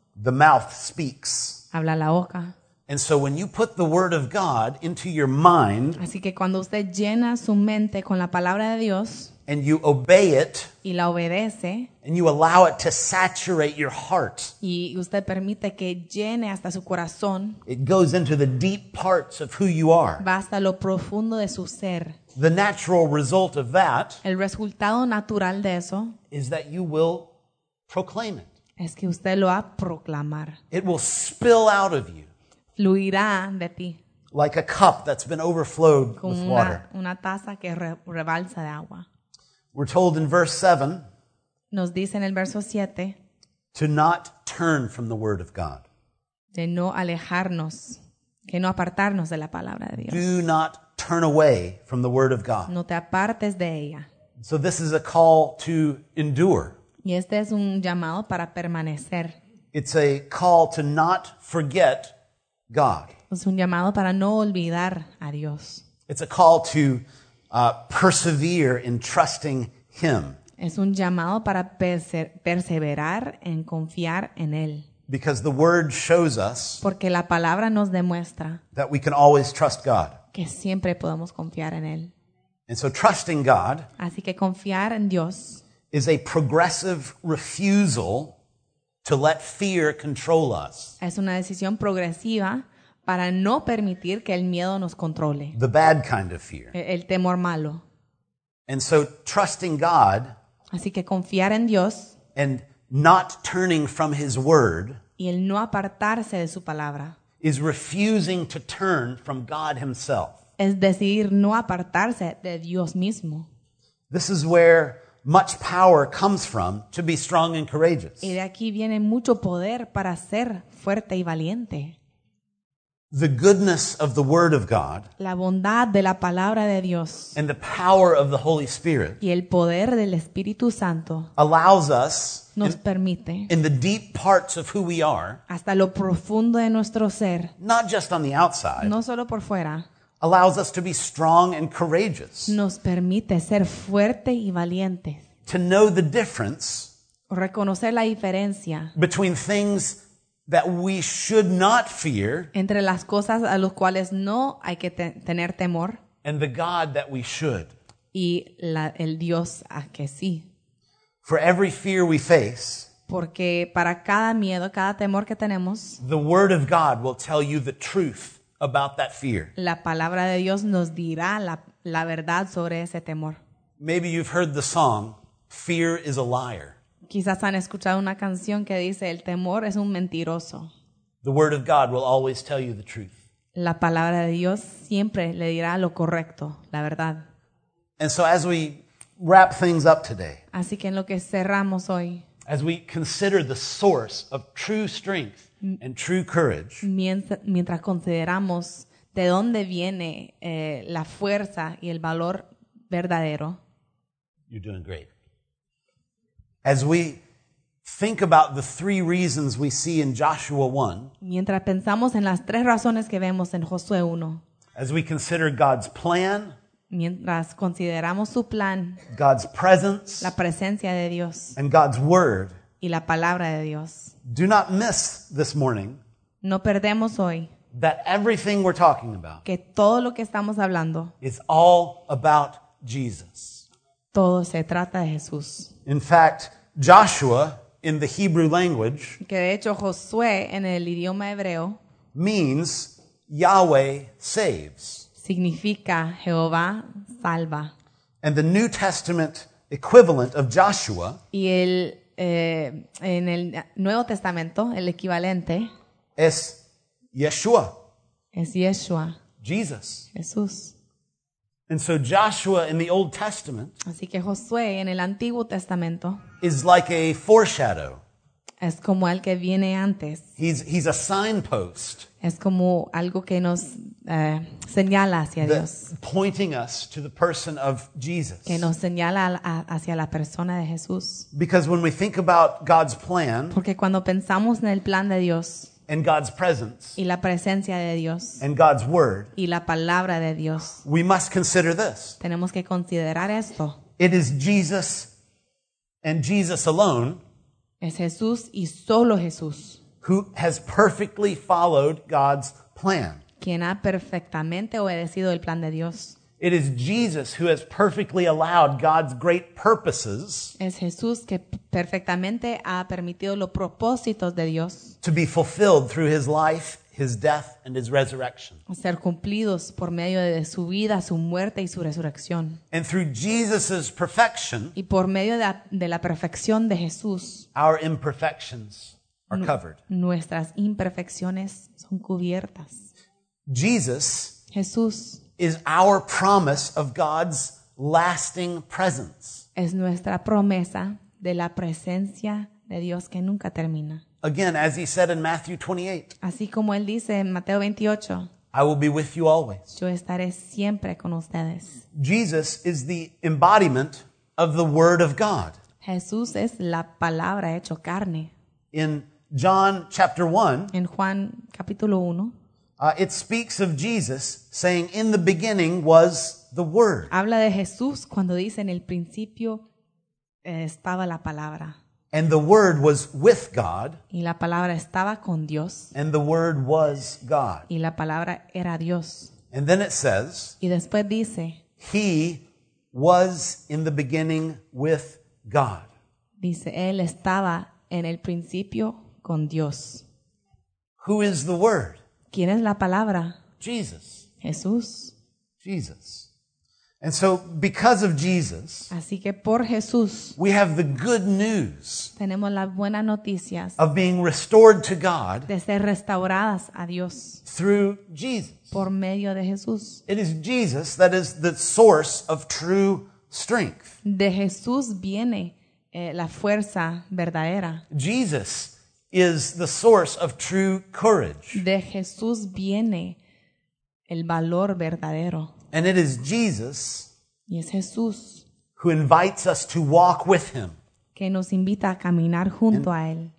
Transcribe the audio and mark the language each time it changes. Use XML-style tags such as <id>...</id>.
<en>the mouth speaks.</en> <es>Habla la boca.</es> <en>And so when you put the word of God into your mind,</en> <es>así que cuando usted llena su mente con la palabra de Dios,</es> <en>and you obey it,</en> <es>y la obedece,</es> <en>and you allow it to saturate your heart,</en> <es>y usted permite que llene hasta su corazón,</es> <en>it goes into the deep parts of who you are.</en> <es>Va hasta lo profundo de su ser.</es> <en>The natural result of that,</en> <es>el resultado natural de eso,</es> <en>is that you will proclaim it.</en> <es>Es que usted lo va a proclamar.</es> <en>It will spill out of you.</en> <es>Fluirá de ti.</es> <en>Like a cup that's been overflowed</en> <es>con</es> <en>with water.</en> <es>Una taza que rebalsa de agua.</es> <en>We're told in verse 7.</en> <es>Nos dice en el verso 7.</es> <en>To not turn from the word of God.</en> <es>De no alejarnos. Que no apartarnos de la palabra de Dios.</es> <en>Do not turn away from the word of God.</en> <es>No te apartes de ella.</es> <en>So this is a call to endure.</en> <es>Y este es un llamado para permanecer.</es> <en>It's a call to not forget God.</en> <es>Es un llamado para no olvidar a Dios.</es> <en>It's a call to persevere in trusting Him.</en> <es>Es un llamado para perseverar en confiar en Él.</es> <en>Because the Word shows us,</en> <es>porque la palabra nos demuestra,</es> <en>that we can always trust God.</en> <es>Que siempre podemos confiar en Él.</es> <en>And so trusting God,</en> <es>así que confiar en Dios,</es> <en>is a progressive refusal to let fear control us.</en> <es>Es una decisión progresiva para no permitir que el miedo nos controle.</es> <en>The bad kind of fear.</en> <es>El temor malo.</es> <en>And so trusting God,</en> <es>así que confiar en Dios,</es> <en>and not turning from His word,</en> <es>y el no apartarse de su palabra,</es> <en>is refusing to turn from God Himself.</en> <es>Es decidir no apartarse de Dios mismo.</es> <en>This is where much power comes from to be strong and courageous.</en> <es>Y de aquí viene mucho poder para ser fuerte y valiente.</es> <en>The goodness of the Word of God,</en> <es>la bondad de la palabra de Dios,</es> <en>and the power of the Holy Spirit,</en> <es>y el poder del Espíritu Santo,</es> <en>allows us,</en> <es>nos permite,</es> <en>in the deep parts of who we are,</en> <es>hasta lo profundo de nuestro ser,</es> <en>not just on the outside,</en> <es>no solo por fuera,</es> <en>allows us to be strong and courageous.</en> <es>Nos permite ser fuerte y valiente.</es> <en>To know the difference,</en> <es>reconocer la diferencia,</es> <en>between things that we should not fear,</en> <es>entre las cosas a los cuales no hay que tener temor,</es> <en>and the God that we should.</en> <es>Y el Dios a que sí.</es> <en>For every fear we face,</en> <es>porque para cada miedo, cada temor que tenemos,</es> <en>the Word of God will tell you the truth about that fear.</en> <es>La palabra de Dios nos dirá la verdad sobre ese temor.</es> <en>Maybe you've heard the song, "Fear is a liar."</en> <es>Quizás han escuchado una canción que dice, "El temor es un mentiroso."</es> <en>The word of God will always tell you the truth.</en> <es>La palabra de Dios siempre le dirá lo correcto, la verdad.</es> <en>And so as we wrap things up today,</en> <es>así que en lo que cerramos hoy,</es> <en>as we consider the source of true strength and true courage,</en> <es>mientras consideramos de dónde viene la fuerza y el valor verdadero,</es> <en>you're doing great. As we think about the three reasons we see in Joshua 1,</en> <es>mientras pensamos en las tres razones que vemos en Josué 1,</es> <en>as we consider God's plan,</en> <es>mientras consideramos su plan,</es> <en>God's presence,</en> <es>la presencia de Dios,</es> <en>and God's word,</en> <es>y la palabra de Dios.</es> <en>Do not miss this morning,</en> <es>no perdemos hoy,</es> <en>that everything we're talking about,</en> <es>que todo lo que estamos hablando,</es> <en>is all about Jesus.</en> <es>Todo se trata de Jesús.</es> <en>In fact, Joshua, in the Hebrew language,</en> <es>que de hecho Josué en el idioma hebreo,</es> <en>means Yahweh saves.</en> <es>Significa Jehová salva.</es> <en>And the New Testament equivalent of Joshua,</en> <es>y el en el Nuevo Testamento, el equivalente es Yeshua. Es Yeshua.</es> <en>Jesus.</en> <es>Jesús.</es> <en>And so Joshua in the Old Testament,</en> <es>así que Josué en el Antiguo Testamento,</es> <en>is like a foreshadow.</en> <es>Es como el que viene antes.</es> <en>He's a signpost.</en> <es>Es como algo que nos señala hacia Dios.</es> <en>Pointing us to the person of Jesus.</en> <es>Que nos señala hacia la persona de Jesús.</es> <en>Because when we think about God's plan,</en> <es>porque cuando pensamos en el plan de Dios,</es> <en>and God's presence,</en> <es>y la presencia de Dios,</es> <en>and God's word,</en> <es>y la palabra de Dios,</es> <en>we must consider this.</en> <es>Tenemos que considerar esto.</es> <en>It is Jesus and Jesus alone.</en> <es>Es Jesús y solo Jesús.</es> <en>Who has perfectly followed God's plan.</en> <es>Quien ha perfectamente obedecido el plan de Dios.</es> <en>It is Jesus who has perfectly allowed God's great purposes.</en> <es>Es Jesús que perfectamente ha permitido los propósitos de Dios.</es> <en>To be fulfilled through his life, his death, and his resurrection.</en> <es>Ser cumplidos por medio de su vida, su muerte y su resurrección.</es> <en>And through Jesus' perfection.</en> <es>Y por medio de la perfección de Jesús.</es> <en>Our imperfections are covered.</en> <es>Nuestras imperfecciones son cubiertas.</es> <en>Jesus.</en> <es>Jesús.</es> <en>Is our promise of God's lasting presence.</en> <es>Es nuestra promesa de la presencia de Dios que nunca termina.</es> <en>Again, as he said in Matthew 28.</en> <es>Así como él dice en Mateo 28.</es> <en>I will be with you always.</en> <es>Yo estaré siempre con ustedes.</es> <en>Jesus is the embodiment of the word of God.</en> <es>Jesús es la palabra hecho carne.</es> <en>In John chapter 1.</en> <es>En Juan capítulo 1.</es> <en>It speaks of Jesus saying, "In the beginning was the Word."</en> <es>Habla de Jesús cuando dice, "En el principio estaba la palabra."</es> <en>And the Word was with God.</en> <es>Y la palabra estaba con Dios.</es> <en>And the Word was God.</en> <es>Y la palabra era Dios.</es> <en>And then it says,</en> <es>y después dice,</es> <en>"He was in the beginning with God."</en> <es>Dice, él estaba en el principio con Dios.</es> <en>Who is the Word?</en> <es>¿Quién es la palabra?</es> <en>Jesus.</en> <es>Jesús.</es> <en>Jesus. And so because of Jesus,</en> <es>así que por Jesús,</es> <en>we have the good news.</en> <es>Tenemos las buenas noticias.</es> <en>Of being restored to God.</en> <es>De ser restauradas a Dios.</es> <en>Through Jesus.</en> <es>Por medio de Jesús.</es> <en>It is Jesus that is the source of true strength.</en> <es>De Jesús viene la fuerza verdadera.</es> <en>Jesus is the source of true courage.</en> <es>De Jesús viene el valor verdadero.</es> <en>And it is Jesus,</en> <es>y es Jesús,</es> <en>who invites us to walk with him.</en> <es>Que nos invita a caminar junto a él.</es>